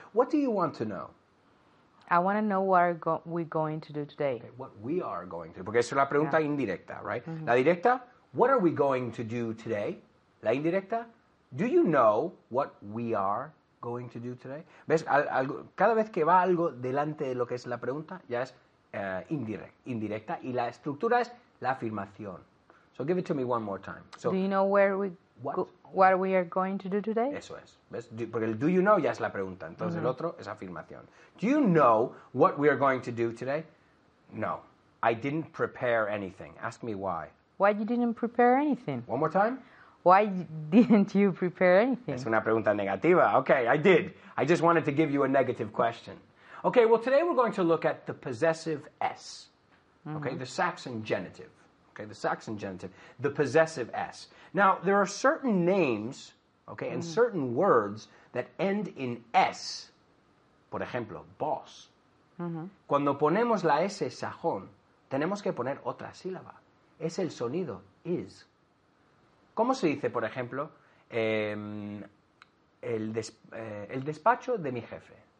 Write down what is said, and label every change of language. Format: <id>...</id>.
<en>What do you want to know? I want to know what are we going to do today. Okay, what we are going to do.</en> <es>Porque es una pregunta indirecta,</es> <en>right? Mm-hmm.</en> <es>La directa,</es> <en>what are we going to do today?</en> <es>La indirecta,</es> <en>do you know what we are going to do today?</en> <es>¿Ves? Cada vez que va algo delante de lo que es la pregunta, ya es indirecta. Y la estructura es la afirmación.</es> <en>So give it to me one more time. So, do you know what we are going to do today?</en> <es>Eso es. ¿Ves? Porque el</es> <en>do you know</en> <es>ya es la pregunta. Entonces el otro es afirmación.</es> <en>Do you know what we are going to do today? No. I didn't prepare anything. Ask me why. Why you didn't prepare anything? One more time. Why didn't you prepare anything?</en> <es>Es una pregunta negativa.</es> <en>Okay, I did. I just wanted to give you a negative question. Okay, well, today we're going to look at the possessive S. Mm-hmm. Okay, the Saxon genitive. Okay, the Saxon genitive. The possessive S. Now, there are certain names, okay, and certain words that end in S.</en> <es>Por ejemplo, boss. Mm-hmm. Cuando ponemos la S sajón, tenemos que poner otra sílaba. Es el sonido is. ¿Cómo se dice, por ejemplo, el despacho de mi jefe?</es>